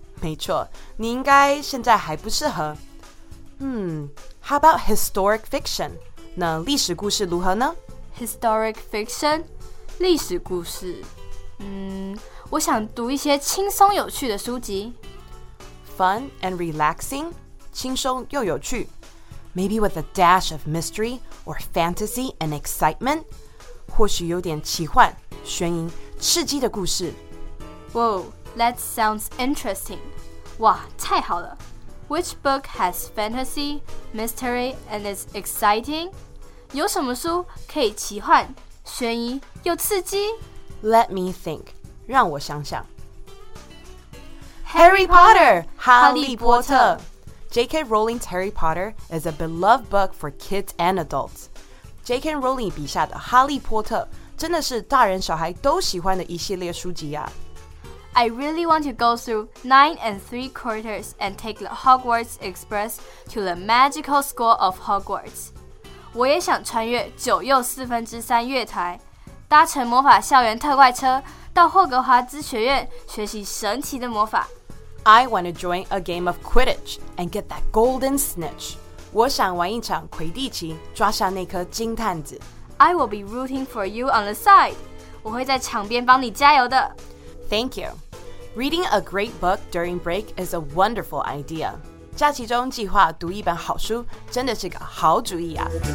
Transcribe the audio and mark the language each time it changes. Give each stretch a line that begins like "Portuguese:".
Chinese: 没错，你应该现在还不适合。
English: How about historic fiction?
Chinese: 那历史故事如何呢？
English: Historic fiction?
Chinese: 历史故事。我想读一些轻松有趣的书籍。
English: Fun and relaxing?
Chinese: 轻松又有趣。
English: Maybe with a dash of mystery or fantasy and excitement?
Chinese: 或许有点奇幻、悬疑、刺激的故事。
English: That sounds interesting.
Chinese: 哇，太好了。
English: Which book has fantasy, mystery, and is exciting?
Chinese: 有什么书可以奇幻、悬疑又刺激？
English: Let me think.
Chinese: 让我想想。
English: Harry Potter! 哈利波特。 J.K. Rowling's Harry Potter is a beloved book for kids and adults. J.K.
Chinese: Rowling 笔下的哈利波特真的是大人小孩都喜欢的一系列书籍啊。
English: I really want to go through 9¾ and take the Hogwarts Express to the magical school of Hogwarts.
Chinese: 我也想穿越9¾月台，搭乘魔法校园特快车到霍格华兹学院学习神奇的魔法。
English: I want to join a game of Quidditch and get that golden snitch.
Chinese: 我想玩一场魁地奇，抓下那颗金探子。
English: I will be rooting for you on the side.
Chinese: 我会在场边帮你加油的。
English: Thank you. Reading a great book during break is a wonderful idea.
Chinese: 假期中计划读一本好书真的是个好主意啊。